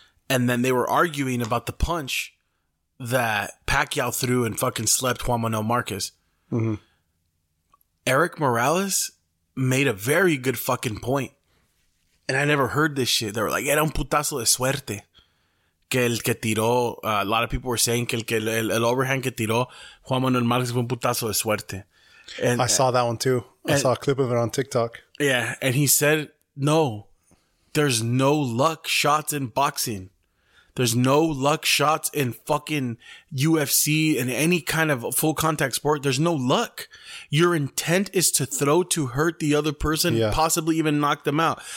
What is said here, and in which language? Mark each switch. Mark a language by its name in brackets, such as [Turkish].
[English] And then they were arguing about the punch that Pacquiao threw and fucking slept Juan Manuel Marquez. Mm-hmm. Eric Morales made a very good fucking point. And I never heard this shit. They were like, [Spanish] era un putazo de suerte. Que el que tiró, [English] a lot of people were saying [Spanish] que el overhand que tiró Juan Manuel Marquez fue un putazo de suerte. [English] And I saw that one too. I saw a clip of it on TikTok. Yeah. And he said, no, there's no luck shots in boxing. There's no luck shots in fucking UFC and any kind of full contact sport. There's no luck. Your intent is to throw to hurt the other person, yeah, possibly even knock them out.